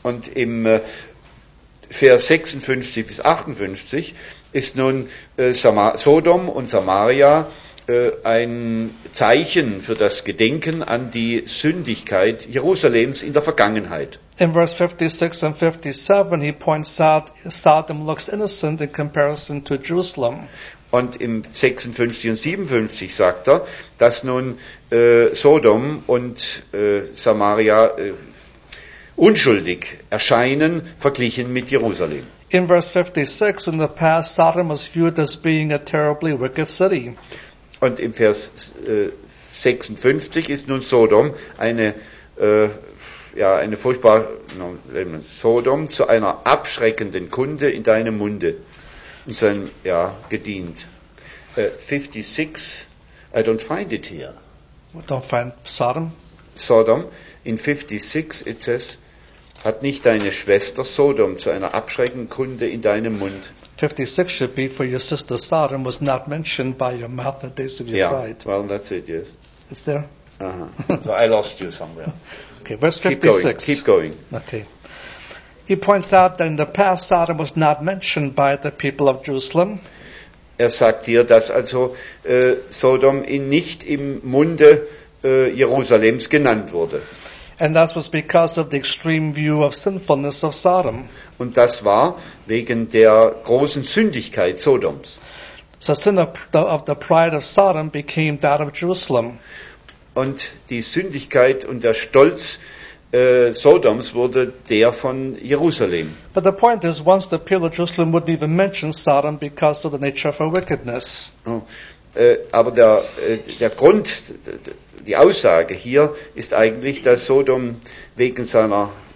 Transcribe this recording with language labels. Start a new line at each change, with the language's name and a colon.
German: Und im Vers 56 bis 58 ist nun Sodom und Samaria ein Zeichen für das Gedenken an die Sündigkeit Jerusalems in der Vergangenheit.
English: In verse 56 and 57, he points out Sodom looks innocent in comparison to Jerusalem.
German: Und im 56 und 57 sagt er, dass nun Sodom und Samaria unschuldig erscheinen, verglichen mit Jerusalem.
English: In verse 56, in the past, Sodom was viewed as being a terribly wicked city.
German: Und im Vers 56 ist nun Sodom Sodom zu einer abschreckenden Kunde in deinem Munde und seinem, ja, gedient.
English: 56, I don't find it here. We don't find Sodom?
German: Sodom,
English: in 56 it says,
German: hat nicht deine Schwester Sodom zu einer abschreckenden Kunde in deinem Mund.
English: 56 should be, for your sister Sodom was not mentioned by your mouth in the days of your fright. Yeah, well, that's it, yes. It's there? Uh-huh. So I lost you somewhere. Okay, verse 56. Keep going. Okay. He points out that in the past Sodom was not mentioned by the people of Jerusalem.
German: Er sagt hier, dass also Sodom nicht im Munde Jerusalems genannt wurde.
English: And that was because of the extreme view of sinfulness of Sodom.
German: Und das war wegen der großen Sündigkeit Sodoms.
English: So sin of the pride of Sodom became that of Jerusalem.
German: Und die Sündigkeit und der Stolz Sodoms wurde der von Jerusalem.
English: But the point is, once the people of Jerusalem wouldn't even mention Sodom because of the nature of her wickedness.
German: Aber der Grund, die Aussage hier ist eigentlich, dass Sodom wegen seiner